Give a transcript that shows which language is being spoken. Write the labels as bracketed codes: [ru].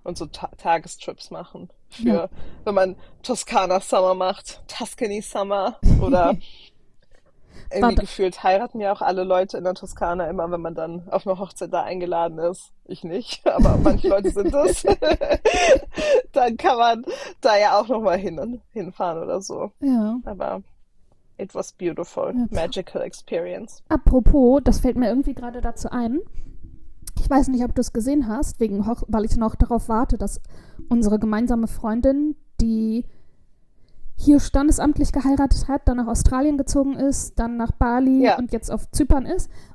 [de] Und so Tagestrips machen für, wenn man Toskana Summer macht, Tuscany Summer oder irgendwie gefühlt heiraten ja auch alle Leute in der Toskana immer, wenn man dann auf eine Hochzeit da eingeladen ist. Ich nicht, aber manche Leute sind es. Dann kann man da ja auch nochmal hinfahren oder so. Aber [en] it was beautiful, magical experience. [de] Apropos, das fällt mir irgendwie gerade dazu ein. Ich weiß nicht, ob du es gesehen hast, wegen weil ich noch darauf warte, dass unsere gemeinsame Freundin, die hier standesamtlich geheiratet hat, dann nach Australien gezogen ist, dann nach Bali Ja. und jetzt auf Zypern ist.